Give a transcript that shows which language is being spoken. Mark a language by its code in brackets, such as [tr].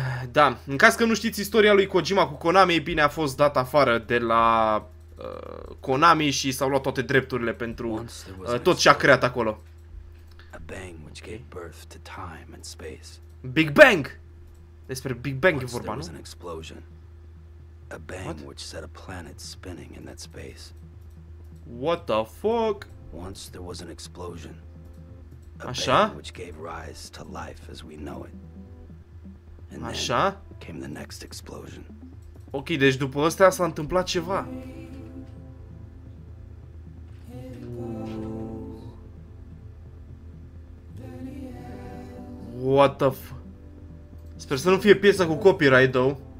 [ro] Da, în caz că nu știți istoria lui Kojima cu Konami, bine, a fost dat afară de la Konami și s-au luat toate drepturile pentru tot ce a creat acolo. [en] A bang which gave birth to time and space. Big Bang! [ro] Despre Big Bang e vorba, nu? [en] A bang which set a planet spinning in that space. What the fuck? Once there was an explosion. A bang which gave rise to life as we know it. And then came the next explosion. [ro] Ok, deci după ăsta s-a întâmplat ceva. [en] What the fuck? [ro] Sper să nu fie piesa cu copyright, though.